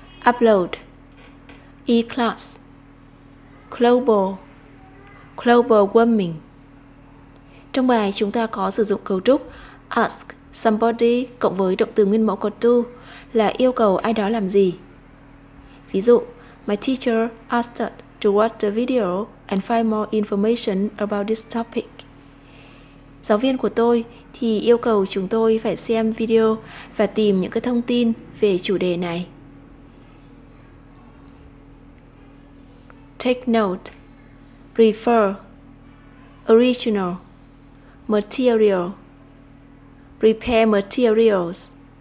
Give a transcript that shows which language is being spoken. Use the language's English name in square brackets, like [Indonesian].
[English] Upload, E-Class, Global, Global Warming. [Vietnamese] Trong bài chúng ta có sử dụng cấu trúc [English] Ask somebody [Vietnamese] cộng với động từ nguyên mẫu có to là yêu cầu ai đó làm gì. [English] Ví dụ, My teacher asked to watch the video and find more information about this topic. [Vietnamese] Giáo viên của tôi thì yêu cầu chúng tôi phải xem video và tìm những cái thông tin về chủ đề này. [English] Take note, refer, original, material, prepare materials.